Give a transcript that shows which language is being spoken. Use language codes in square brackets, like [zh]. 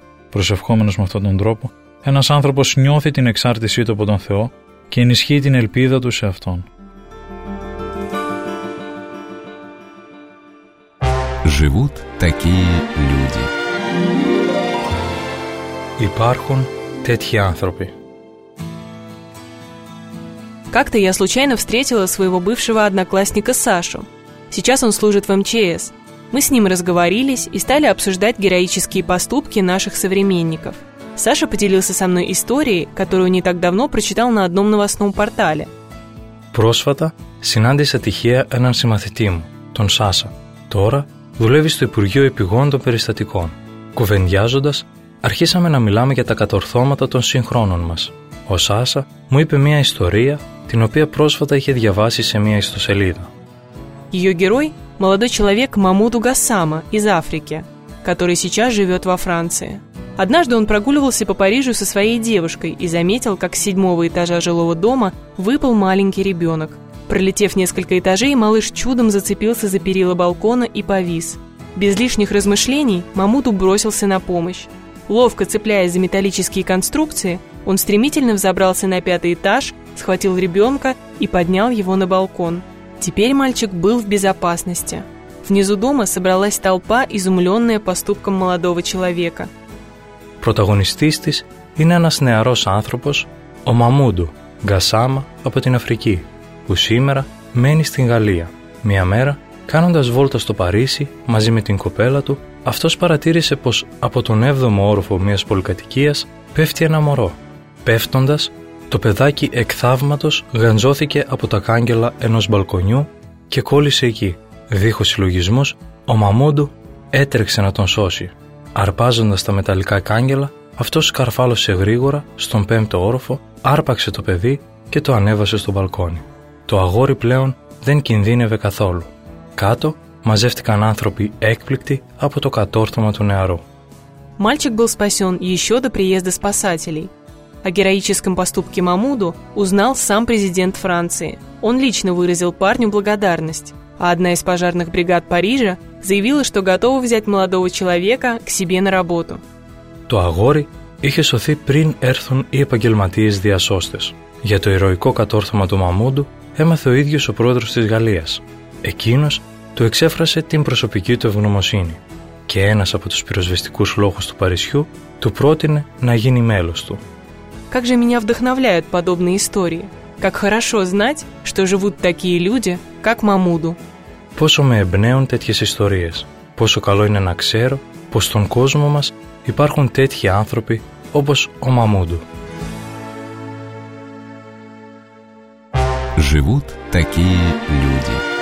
[el] Προσευχόμενος με αυτόν τον τρόπο, ένας άνθρωπος νιώθει την εξάρτησή του από τον Θεό και ενισχύει την ελπίδα του σε αυτόν. [ru] Живут такие люди. [el] Υπάρχουν τέτοιοι άνθρωποι. [ru] Как-то я случайно встретила своего бывшего одноклассника Сашу. Сейчас он служит в МЧС. Мы с ним разговорились и стали обсуждать героические поступки наших современников. Саша поделился со мной историей, которую не так давно прочитал на одном новостном портале. [el] Πρόσφατα συνάντησα τυχαία έναν συμμαθητή μου, τον Σάσα. Τώρα δουλεύει στο Υπουργείο Επιγόντων των Περιστατικών. Κουβεντιάζοντας, αρχίσαμε να μιλάμε για τα κατορθώματα των συγχρόνων μας. Ο Σάσα μου είπε μια ιστορία, την οποία πρόσφατα είχε διαβάσει σε μια ιστοσελίδα. [ru] Ее герой – молодой человек Мамуду Гасама из Африки, который сейчас живет во Франции. Однажды он прогуливался по Парижу со своей девушкой и заметил, как с седьмого этажа жилого дома выпал маленький ребенок. Пролетев несколько этажей, малыш чудом зацепился за перила балкона и повис. Без лишних размышлений Мамуду бросился на помощь. Ловко цепляясь за металлические конструкции, он стремительно взобрался на пятый этаж, схватил ребенка и поднял его на балкон. Теперь мальчик был в безопасности. Внизу дома собралась толпа, изумленная поступком молодого человека. [el] Πρωταγωνιστής της είναι ένας νεαρός άνθρωπος, ο Μαμούντου Γκασάμα από την Αφρική, που σήμερα μένει στην Γαλλία. Μια μέρα, κάνοντας βόλτα στο Παρίσι μαζί με την κοπέλα του, αυτός παρατήρησε πως από τον 7ο όροφο μιας πολυκατοικίας πέφτει ένα μωρό. Πέφτοντας, το παιδάκι εκ θαύματος γαντζώθηκε από τα κάγκελα ενός μπαλκονιού και κόλλησε εκεί. Δίχως συλλογισμούς, ο Μαμούντου έτρεξε να τον σώσει. Αρπάζοντας τα μεταλλικά κάγκελα, αυτός σκαρφάλωσε γρήγορα στον 5ο όροφο, άρπαξε το παιδί και το ανέβασε στο μπαλκόνι. Το αγόρι πλέον δεν κινδύνευε καθόλου. Κάτω μαζεύτηκαν άνθρωποι έκπληκτοι από το κατόρθωμα του νεαρού. [ru] Мальчик был спасен еще до приезда спасателей. О героическом поступке Мамуду узнал сам президент Франции. Он лично выразил парню благодарность. А одна из пожарных бригад Парижа заявила, что готова взять молодого человека к себе на работу. [el] Το αγόρι είχε σωθεί πριν έρθουν οι επαγγελματίες διασώστες. Για το ηρωικό κατόρθωμα του Μαμούντου έμαθε ο ίδιος ο πρόεδρος της Γαλλίας. Εκείνος του εξέφρασε την προσωπική του ευγνωμοσύνη. Και ένας από τους πυροσβεστικούς λόγους του Παρισιού του πρότεινε να γίνει μέλος του. [ru] Как же меня вдохновляют подобные истории. Как хорошо знать, что живут такие люди, как Мамуду. [el] Πόσο με εμπνέουν τέτοιες ιστορίες. Πόσο καλό είναι να ξέρω πως στον κόσμο μας υπάρχουν τέτοιοι άνθρωποι όπως ο Μαμούντου. [ru] Живут такие люди.